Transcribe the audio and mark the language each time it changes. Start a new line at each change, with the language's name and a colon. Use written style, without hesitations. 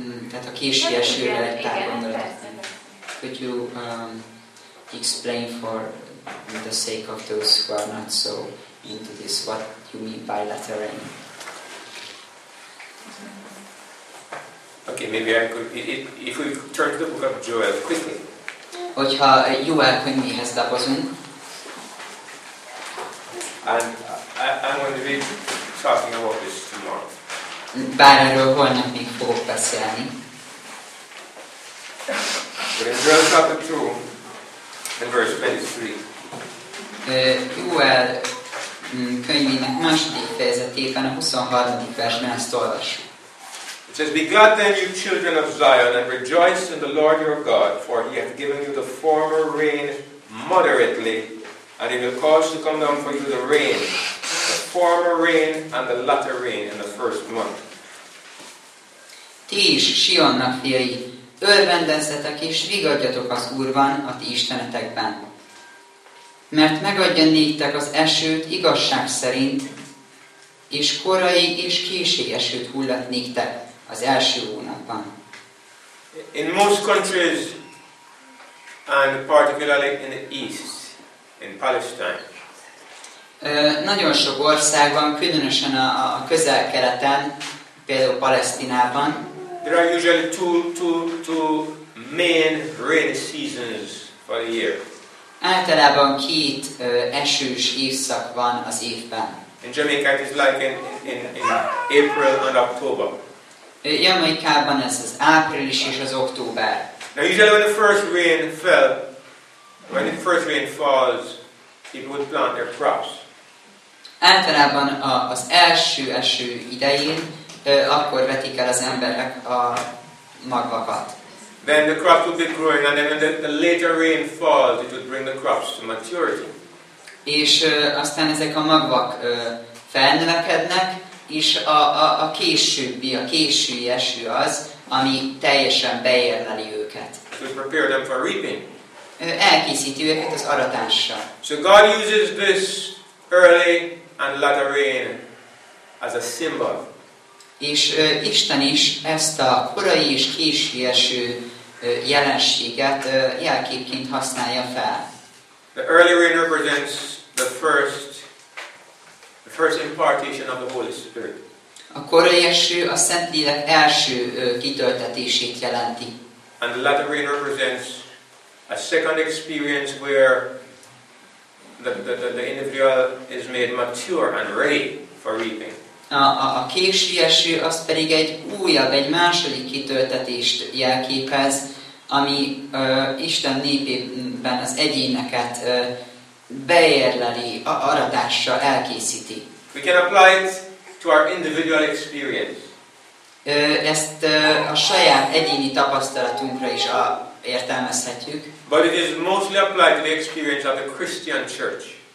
Hungarian: Tehát a késő esőre egy pár gondolatot.
English: Could you explain for the sake of those who are not so into this, what you mean by latter rain? Okay, maybe I could. If we turn to the book of Joel quickly.
Hungarian: Hogyha Joel könyvéhez lapozunk.
English: And I'm going to be talking about this tomorrow.
Hungarian: Bár erről holnap még fogok beszélni.
English: But in Joel chapter 2, in verse 23.
Hungarian: Joel könyvének második fejezetében, a 23. versben ezt olvassuk.
English: It says, be glad then, you children of Zion, and rejoice in the Lord your God, for he hath given you the former rain moderately, and he will cause to come down for you the rain, the former rain and the latter rain in the first month.
Hungarian: Ti is Sionnak fiai, örvendezzetek és vigadjatok az Úrban, a ti istenetekben. Mert megadja néktek az esőt igazság szerint, és korai és késő esőt hullat néktek az első hónapban.
English: In most countries, and particularly in the east, in Palestine,
Hungarian: nagyon sok országban, különösen a közel-keleten, például Palesztinában,
English: there are usually two main rain seasons for the year.
Hungarian: Általában két esős évszak van az évben.
English: In Jamaica it is like in April and October.
Hungarian: Jamaikában ez az április és az október.
English: Now usually when the first rain falls, people would plant their crops.
Hungarian: Általában az első eső idején akkor vetik el az emberek a magvakat.
English: Then the crops would be growing, and then when the later rain falls, it would bring the crops to maturity.
Hungarian: És aztán ezek a magvak felnövekednek, és a későbbi, a késő eső az, ami teljesen beérleli őket.
English: To prepare them for reaping.
Hungarian: Elkészíti őket az aratásra.
English: So God uses this early and latter rain as a symbol.
Hungarian: És Isten is ezt a korai és késő eső jelenséget jelképként használja fel.
English: The early rain represents the first impartation of the Holy Spirit.
Hungarian: A korai eső a Szentlélek első kitöltetését jelenti.
English: And the latter rain represents a second experience where the individual is made mature and ready for reaping.
Hungarian: A késő eső az pedig egy újabb, egy második kitöltetést jelképez, ami Isten népében az egyéneket beérleli, aratásra elkészíti.
English: We can apply it to our individual experience.
Hungarian: Ezt a saját egyéni tapasztalatunkra is értelmezhetjük.
English: But it is mostly applied to the experience of the Christian church.